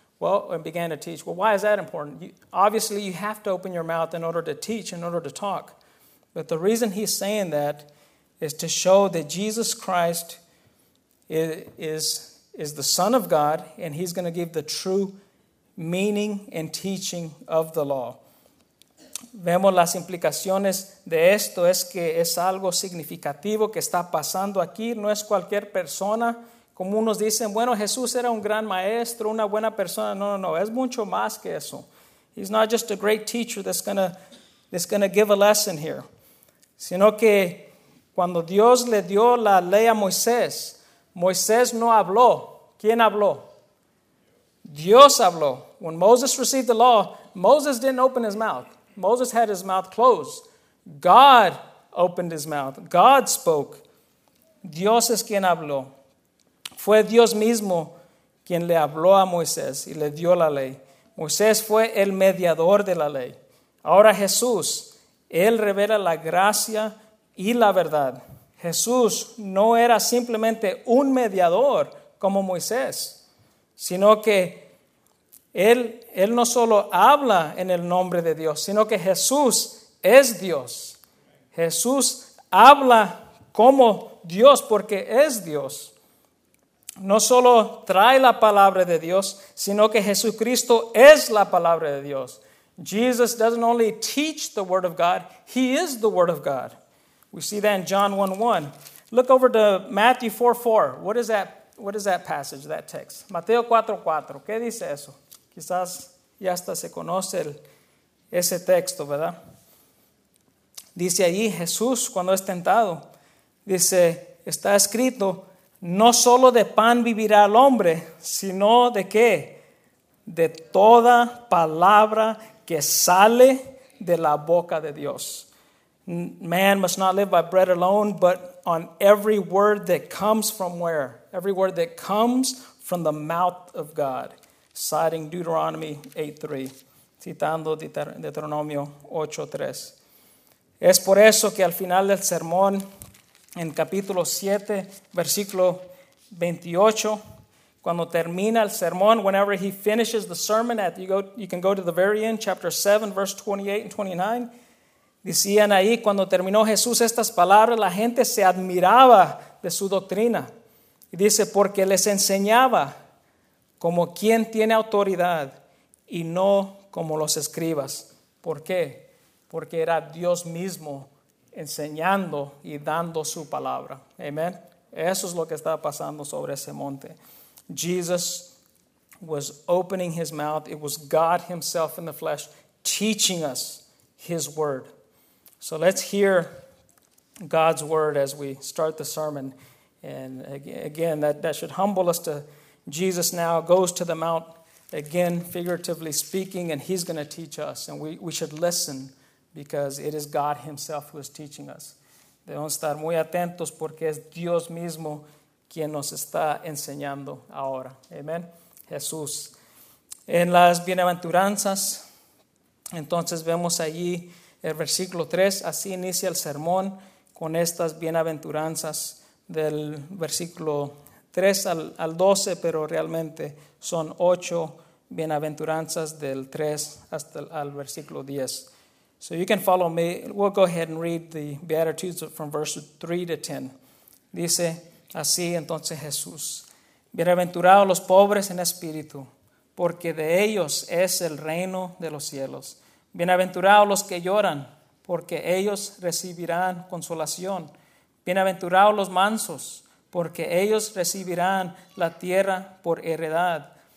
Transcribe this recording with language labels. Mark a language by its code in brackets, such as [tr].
[en] Well, why is that important? Obviously, you have to open your mouth in order to teach, in order to talk. But the reason he's saying that is to show that Jesus Christ is the Son of God, and he's going to give the true meaning and teaching of the law. [es] Vemos las implicaciones de esto, es que es algo significativo que está pasando aquí, no es cualquier persona. Como unos dicen, bueno, Jesús era un gran maestro, una buena persona. No, es mucho más que eso. [en] He's not just a great teacher that's gonna give a lesson here. [es] Sino que cuando Dios le dio la ley a Moisés, Moisés no habló. ¿Quién habló? Dios habló. [en] When Moses received the law, Moses didn't open his mouth. Moses had his mouth closed. God opened his mouth. God spoke. [es] Dios es quien habló. Fue Dios mismo quien le habló a Moisés y le dio la ley. Moisés fue el mediador de la ley. Ahora Jesús, Él revela la gracia y la verdad. Jesús no era simplemente un mediador como Moisés, sino que Él no solo habla en el nombre de Dios, sino que Jesús es Dios. Jesús habla como Dios, porque es Dios. No solo trae la palabra de Dios, sino que Jesucristo es la palabra de Dios. [en] Jesus doesn't only teach the word of God, he is the word of God. We see that in John 1:1. Look over to Matthew 4:4. What is that passage, that text? [es] Mateo 4:4. ¿Qué dice eso? Quizás ya hasta se conoce ese texto, ¿verdad? Dice allí Jesús cuando es tentado. Dice, está escrito, no solo de pan vivirá el hombre, sino ¿de qué? De toda palabra que sale de la boca de Dios. [en] Man must not live by bread alone, but on every word that comes from where? Every word that comes from the mouth of God. Citing Deuteronomy 8:3. [es] Citando Deuteronomio 8:3. Es por eso que al final del sermón, en capítulo 7, versículo 28, cuando termina el sermón, [en] whenever he finishes the sermon, you can go to the very end, chapter 7, verse 28 and 29. [es] Decían ahí, cuando terminó Jesús estas palabras, la gente se admiraba de su doctrina. Y dice, porque les enseñaba como quien tiene autoridad y no como los escribas. ¿Por qué? Porque era Dios mismo enseñando y dando su palabra. Amen. Eso es lo que estaba pasando sobre ese monte. [en] Jesus was opening his mouth. It was God himself in the flesh teaching us his word. So let's hear God's word as we start the sermon. And again, that should humble us to Jesus now goes to the mount again, figuratively speaking, and he's going to teach us. And we should listen because it is God himself who is teaching us. [es] Debemos estar muy atentos porque es Dios mismo quien nos está enseñando ahora. Amen. Jesús. En las bienaventuranzas, entonces vemos allí el versículo 3. Así inicia el sermón con estas bienaventuranzas del versículo 3 al 12, pero realmente son 8 bienaventuranzas del 3 hasta al versículo 10. [en] So you can follow me. We'll go ahead and read the Beatitudes from verses 3 to 10. [es] Dice así entonces Jesús. Bienaventurados los pobres en espíritu, porque de ellos es el reino de los cielos. Bienaventurados los que lloran, porque ellos recibirán consolación. Bienaventurados los mansos, porque ellos recibirán la tierra por heredad.